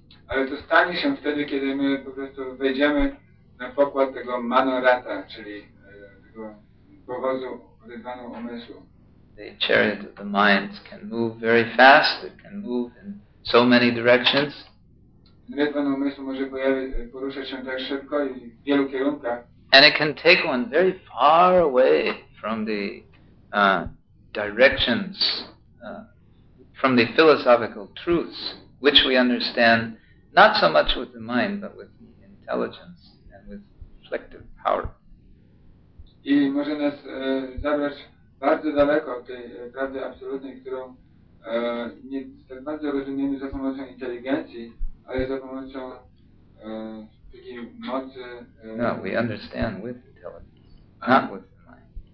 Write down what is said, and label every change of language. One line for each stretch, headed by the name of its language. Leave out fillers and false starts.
Polish: Ale to stanie się wtedy, kiedy my po prostu wejdziemy na pokład tego manorata, czyli tego powozu odezwanego umysłu.
English: The chariot of the mind can move very fast, it can move in so many directions.
Polish: Odezwany umysł może poruszać się tak szybko i w wielu kierunkach.
English: And it can take one very far away from the directions, from the philosophical truths, which we understand not so much with the mind, but with the intelligence and with reflective power.
Polish: I może nas zabrać bardzo daleko od tej prawdy absolutnej, którą nie tak bardzo rozumiemy za pomocą inteligencji, ale za pomocą takiej mocy.
English: No, we understand with intelligence, not with the mind.